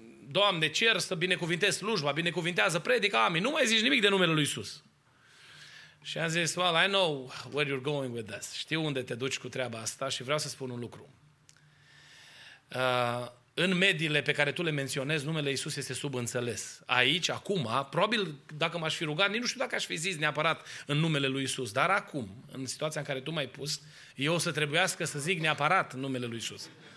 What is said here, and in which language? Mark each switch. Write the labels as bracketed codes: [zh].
[ro] Doamne, cer să binecuvintez slujba, binecuvintează predica, amin. Nu mai zici nimic de numele lui Iisus. Și am zis, [en] well, I know where you're going with this. [ro] Știu unde te duci cu treaba asta și vreau să spun un lucru. În mediile pe care tu le menționezi, numele Iisus este subînțeles. Aici, acum, probabil dacă m-aș fi rugat, nici nu știu dacă aș fi zis neapărat în numele lui Iisus, dar acum, în situația în care tu m-ai pus, eu o să trebuiască să zic neapărat numele lui Iisus.